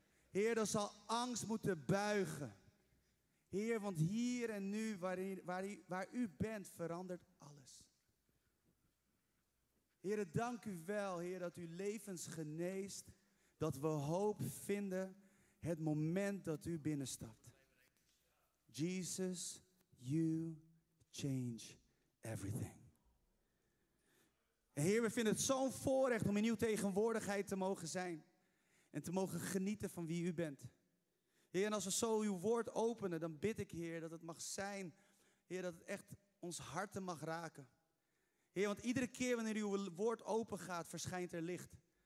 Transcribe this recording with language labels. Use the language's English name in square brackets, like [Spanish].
[Dutch] Heer, dan zal angst moeten buigen. Heer, want hier en nu, waar u bent, verandert alles. Heer, dank u wel, Heer, dat u levens geneest, dat we hoop vinden het moment dat u binnenstapt. [English] Jesus, you change everything. [Dutch] En Heer, we vinden het zo'n voorrecht om in uw tegenwoordigheid te mogen zijn en te mogen genieten van wie u bent. Heer, en als we zo uw woord openen, dan bid ik, Heer, dat het mag zijn, Heer, dat het echt ons harten mag raken. Heer, want iedere keer wanneer uw woord open gaat, verschijnt er licht.